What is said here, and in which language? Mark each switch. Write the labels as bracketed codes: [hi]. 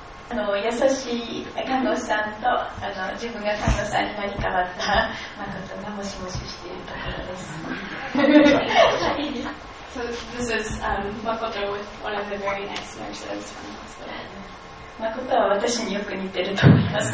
[ja] 優しい看護師さんと自分が看護師さんになり変わった誠がもしもししているところです。 [en] So this is Makoto with one of the very nice nurses from the hospital. [ja] 誠は私によく似てると思います。